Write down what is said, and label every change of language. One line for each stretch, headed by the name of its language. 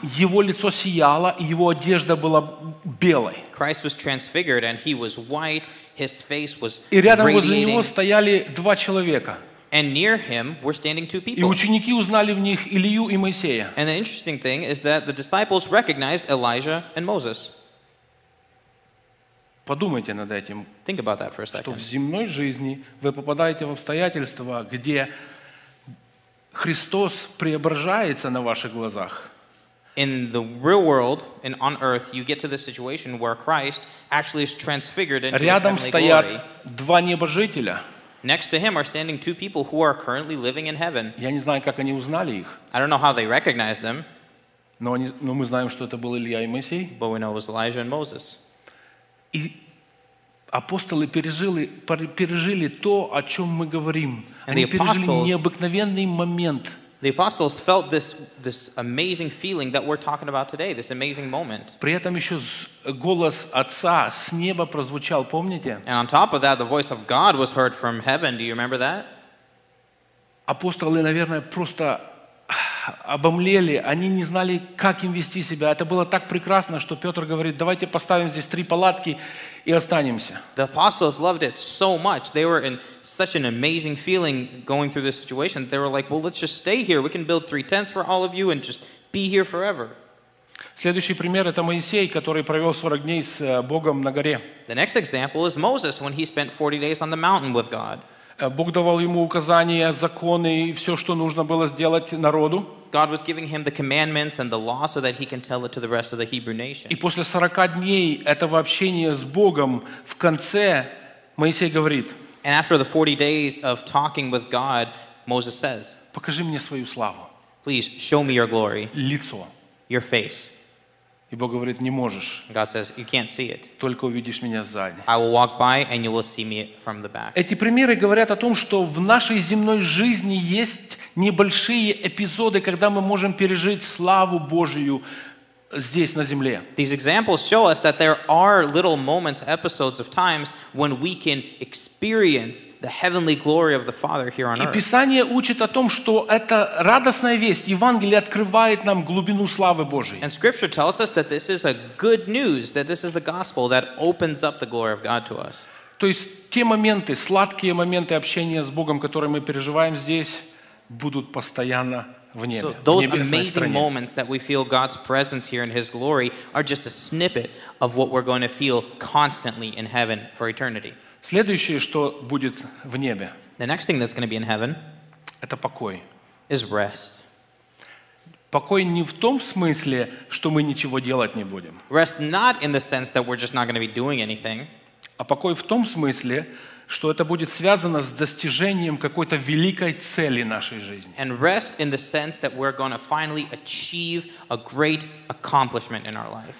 Russian: его лицо сияло, и его одежда была белой.
English: Christ was transfigured and he was white. His face was radiating.
Russian: И рядом возле него стояли два человека.
English: And near him were standing two people.
Russian: И ученики узнали в них Илию и Моисея.
English: And the interesting thing is that the disciples recognized Elijah and Moses.
Russian: Подумайте над этим.
English: Think about that for a second.
Russian: Что в земной жизни вы попадаете в обстоятельства, где Христос преображается на ваших глазах.
English: In the real world and on earth, you get to the situation where Christ actually is transfigured into His heavenly glory.
Russian: Рядом стоят два небожителя.
English: Next to him are standing two people who are currently living in heaven.
Russian: Я не знаю, как они узнали их.
English: I don't know how they recognized them.
Russian: Но мы знаем, что это был Илия и Моисей.
English: But we know it was Elijah and Moses.
Russian: И апостолы пережили то, о чем мы говорим.
English: And
Russian: они пережили необыкновенный момент.
English: The apostles felt this amazing feeling that we're talking about today, this amazing moment.
Russian: При этом еще голос Отца с неба прозвучал, помните?
English: And on top of that, the voice of God was heard from heaven. Do you remember that?
Russian: Апостолы, наверное, просто обомлели. Они не знали, как им вести себя. Это было так прекрасно, что Петр говорит, давайте поставим здесь три палатки и останемся.
English: The apostles loved it so much. They were in such an amazing feeling going through this situation. They were like, well, let's just stay here. We can build three tents for all of you and just be here forever.
Russian: Следующий пример – это Моисей, который провел 40 дней с Богом на горе.
English: The next example is Moses when he spent 40 days on the mountain with God.
Russian: Бог давал ему указания, законы и все, что нужно было сделать народу.
English: God was giving him the commandments and the law so that he can tell it to the rest of the Hebrew nation.
Russian: И после 40 дней этого общения с Богом в конце Моисей говорит.
English: And after the 40 days of talking with God, Moses says,
Russian: покажи мне свою славу.
English: Please show me your glory.
Russian: Лицо.
English: Your face.
Russian: И Бог говорит, не можешь.
English: God says, you can't see it.
Russian: Только увидишь меня сзади.
English: I will walk by and you will see me from the back.
Russian: Эти примеры говорят о том, что в нашей земной жизни есть небольшие эпизоды, когда мы можем пережить славу Божию здесь, на земле.
English: These examples show us that there are little moments, episodes of times when we can experience the heavenly glory of the Father here on earth.
Russian: И Писание учит о том, что эта радостная весть, Евангелие открывает нам глубину славы Божией.
English: And Scripture tells us that this is a good news, that this is the gospel that opens up the glory of God to us.
Russian: То есть те моменты, сладкие моменты общения с Богом, которые мы переживаем здесь, будут постоянно в небе.
English: So those amazing moments that we feel God's presence here in His glory are just a snippet of what we're going to feel constantly in heaven for eternity.
Russian: Следующее, что будет в небе.
English: The next thing that's going to be in heaven.
Russian: Это покой.
English: Is rest.
Russian: Покой не в том смысле, что мы ничего делать не будем.
English: Rest not in the sense that we're just not going to be doing anything.
Russian: А покой в том смысле, что это будет связано с достижением какой-то великой цели нашей жизни.
English: And rest in the sense that we're going to finally achieve a great accomplishment in our life.